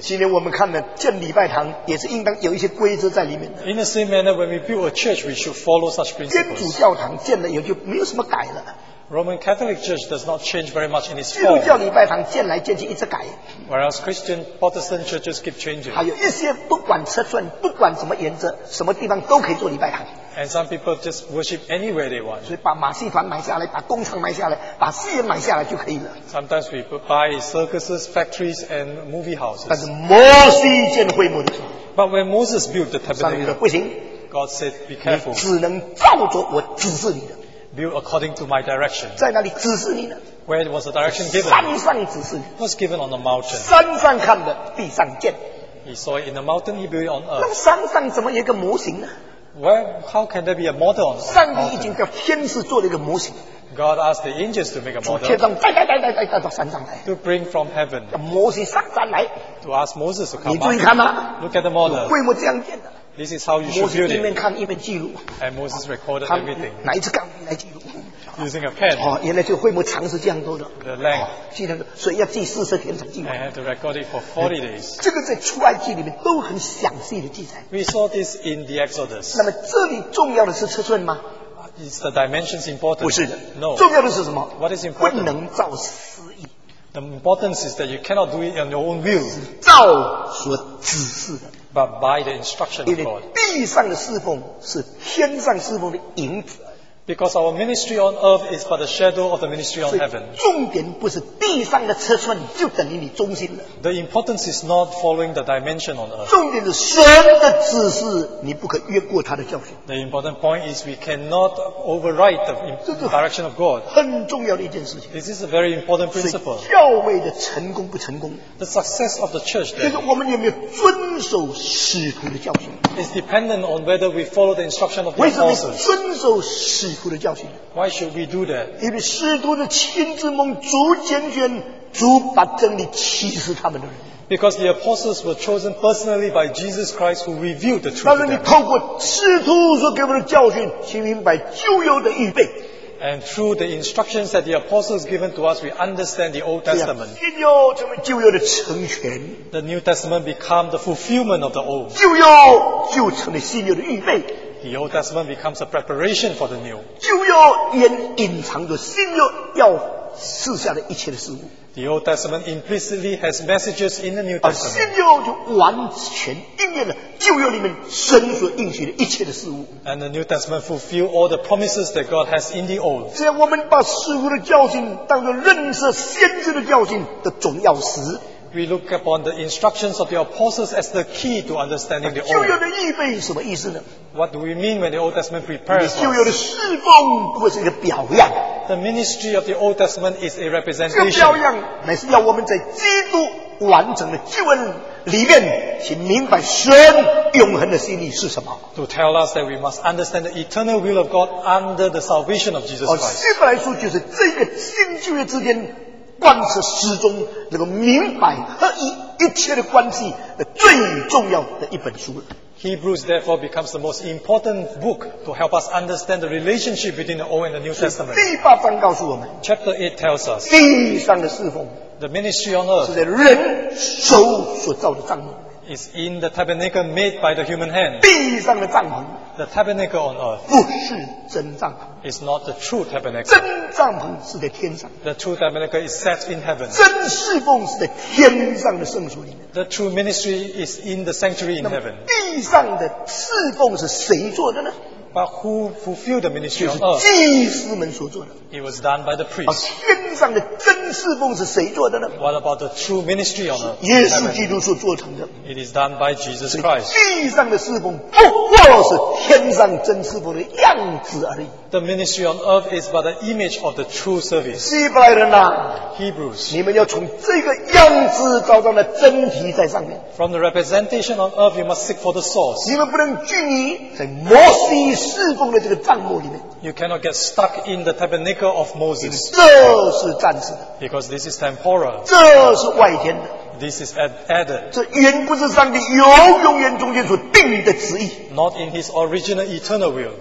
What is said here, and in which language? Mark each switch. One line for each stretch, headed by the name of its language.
Chinese: 今天我们看了建礼拜堂，也是应当有一些规则在里面的。
English: In the same manner, when we build a church, we should follow such principles.
Chinese: 天主教堂建了以后就没有什么改了。
English: Roman Catholic Church does not change very much in its form.
Chinese: 基督教礼拜堂建来建去一直改。
English: Whereas Christian Protestant churches keep changing.
Chinese: 还有一些不管尺寸、不管什么原则、什么地方都可以做礼拜堂。
English: And some people just worship anywhere they want.
Chinese: 所以把马戏团买下来，把工厂买下来，把戏院买下来就可以了。
English: Sometimes we buy circuses, factories, and movie houses.
Chinese: 但是摩西建会幕的时候
English: ，But when Moses built the tabernacle,
Chinese: 上帝说不行。
English: God said, "Be careful."
Chinese: 只能照着我指示你的。
English: Build according to my direction.
Chinese: 在哪里指示你呢
English: ？Where was the direction given?
Chinese: 山上指示你。
English: Was given on the mountain.
Chinese: 山上看的，地上见。
English: He saw it in the mountain. He built it on earth.
Chinese: 那山上怎么有一个模型呢
English: How can there be a model?
Chinese: 上帝已经叫天使做了一个模型。
English: God asked the angels to make a model.
Chinese: 从天上带到山上来。
English: To bring from heaven.
Chinese: 摩西上山来。
English: To ask Moses to come.
Chinese: 你注意看呐。
English: Look at the model.
Chinese: 规模这样建的。
English: This is how you should build it.
Chinese: 摩西一面看一面记录。
English: And Moses recorded everything.
Chinese: 拿一支钢笔来记录。
English: Using a pen.
Chinese: 哦，原来这个规模长是这样多的。
English: The length.
Chinese: 记得，所以要记四十天才记录。
English: I had to record it for 40 days.
Chinese: 这个在出埃及里面都很详细的记载。
English: We saw this in the Exodus.
Chinese: 那么这里重要的是尺寸吗？
English: Is the dimensions important?
Chinese: 不是的
English: No.
Chinese: 重要的是什么
English: What is important?
Chinese: 不能照私意
English: The importance is that you cannot do it on your own will
Chinese: 照所指示的
English: But by the instruction of God
Chinese: 因为地上的侍奉是天上侍奉的影子
English: Because our ministry on earth is but the shadow of the ministry on heaven
Chinese: 重点不是地上的尺寸就等于你中心了
English: The importance is not following the dimension on earth
Chinese: 重点是神的指示你不可越过他的教训
English: The important point is we cannot override the direction of God
Chinese: 很重要的一件事情
English: This is a very important principle
Chinese: 所以教会的成功不成功
English: The success of the church
Chinese: 就是我们有没有遵守使徒的教训
English: It's dependent on whether we follow the instruction of the apostles
Chinese: 为什么遵守使徒的教训
English: Why should we do that?
Chinese: 因为使徒的亲自蒙主拣选主把真理启示他们的人
English: Because the apostles were chosen personally by Jesus Christ who revealed the truth.
Chinese: 但是你透过使徒所给我们的教训，去明白旧约的预备。
English: And through the instructions that the apostles given to us, we understand the Old Testament.
Chinese: 新约成为旧约的成全。
English: The New Testament became the fulfillment of the Old.
Chinese: 旧约就成为新约的预备。
English: The Old Testament becomes a preparation for the New.
Chinese: 旧约也隐藏着新约要赐下的一切的事物。
English: The Old Testament implicitly has messages in the New Testament.
Chinese: 新约就完全应验了旧约里面神所应许的一切的事物。
English: And the New Testament fulfill all the promises that God has in the Old.
Chinese: 只要我们把使徒的教训当作认识先知的教训的总要匙。
English: We look upon the instructions of the apostles as the key to understanding the Old.
Chinese: 旧约的预备是什么意思呢？
English: What do we mean when the Old Testament prepares?
Chinese: 旧约的侍奉不是一个表样。
English: The ministry of the Old Testament is a representation.
Chinese: 这个表样乃是要我们在基督完整的救恩里面去明白神永恒的心意是什么。
English: To tell us that we must understand the eternal will of God under the salvation of Jesus Christ.
Chinese: 希伯来书就是这个新旧约之间贯彻始终那个明白和一切的关系的最重要的一本书。
English: Hebrews therefore becomes the most important book to help us understand the relationship between the Old and the New Testament.
Chinese: 第八章告诉我们
English: Chapter 8 tells us
Chinese: 地上的侍奉
English: The ministry on earth
Chinese: 是在人手所造的帐幕
English: is in the tabernacle made by the human hand.
Chinese: 地上的帐篷
English: The tabernacle on earth
Chinese: 不是真帐篷
English: is not the true tabernacle.
Chinese: 真帐篷是在天上
English: The true tabernacle is set in heaven.
Chinese: 真侍奉是在天上的圣所里面
English: The true ministry is in the sanctuary in heaven.
Chinese: 地上的侍奉是谁做的呢？
English: But who fulfilled the ministry on earth?
Chinese: 祭司们所做的。
English: It was done by the priests.
Chinese: 天上的真侍奉是谁做的呢？
English: What about the true ministry on earth?
Chinese: 耶稣基督所做成的。
English: It is done by Jesus Christ.
Chinese: 地上的侍奉不过是天上真侍奉的样子而已。
English: The ministry on earth is but the image of the true service.
Chinese: 希伯来人啊
English: ，Hebrews，
Chinese: 你们要从这个样子找到那真题在上面。
English: From the representation on earth, you must seek for the source.
Chinese: 你们不能拘泥在摩西侍奉的这个帐幕里面。
English: You cannot get stuck in the tabernacle of Moses.
Chinese: 这是暂时的。
English: Because this is temporal.
Chinese: 这是外天的。
English: This is added.
Chinese: 这原不是上帝由永远中间所定的旨意。
English: Not in his original eternal will.